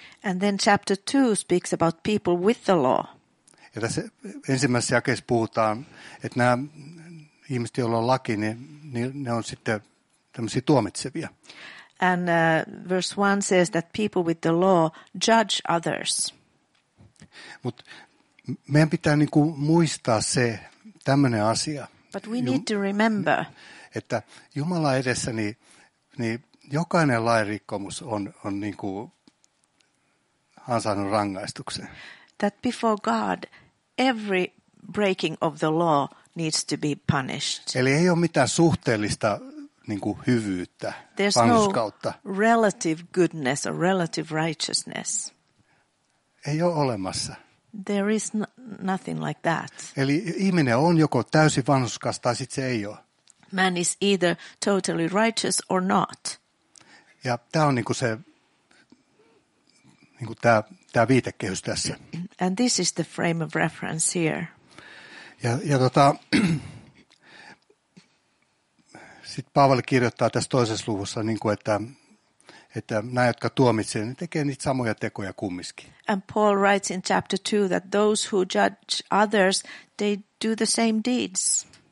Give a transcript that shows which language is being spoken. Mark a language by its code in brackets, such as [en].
[en] And then chapter 2 speaks about people with the law. [fi] Ja tässä ensimmäisessä jakeessa puhutaan, että nämä ihmiset, joilla on laki, niin ne on sitten tämmöisiä tuomitsevia. [en] And verse 1 says that people with the law judge others. [fi] Mut meidän pitää niinku muistaa se tämmöinen asia. [en] But we need to remember. [fi] Että Jumala edessä, niin jokainen lainrikkomus on niinku ansainnut rangaistuksen. [en] That before God, every breaking of the law needs to be punished. [fi] Eli ei ole mitään suhteellista niin kuin hyvyyttä, [en] there's [fi] vanhuskautta. [en] No relative goodness or relative righteousness. [fi] Ei ole olemassa. [en] There is nothing like that. [fi] Eli ihminen on joko täysin vanhuskas tai sitten se ei ole. [en] Man is either totally righteous or not. [fi] Ja tämä on niin kuin se, niin kuin tämä viitekehys tässä. [en] And this is the frame of reference here. [fi] Ja sit Paavali kirjoittaa tässä toisessa luvussa niin kuin että nämä, jotka tuomitsevat, ne tekee niitä samoja tekoja kummiskin. [en] And Paul writes in chapter 2 that those who judge others, they do the same deeds.